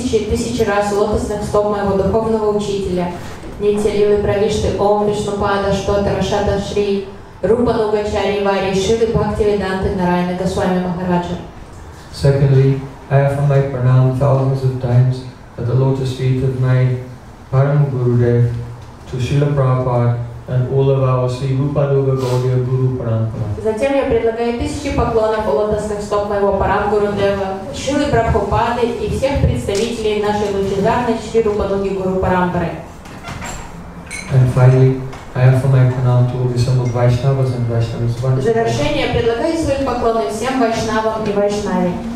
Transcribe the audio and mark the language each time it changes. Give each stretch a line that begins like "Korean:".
Russian: тысячи раз лотосных стоп моего духовного учителя. Нитилилы Правишты Ом Вишнупада Штота Рашата Шри Рупа Нугачари Вари Шиды Бхакти Веданты Нарайана Госвами Махараджа.
English: Secondly, I offer my pranam thousands of times at the lotus feet of my Param Gurudev to Srila Prabhupada and all of our Sri Rupa Nuga Gaudiya Guru Parampara.
Russian: Затем я предлагаю тысячи поклонов у лотосных стоп моего Парам Гурудева, Шилы Прабхупады и всех представителей нашей лучезарной Шри Рупа Нуги Гуру Парампары.
English: And finally, I offer my pranam to all some of Vaishnavas and Vaishnavas.
Russian: В завершение я предлагаю свои поклоны всем Вайшнавам и Вайшнаве.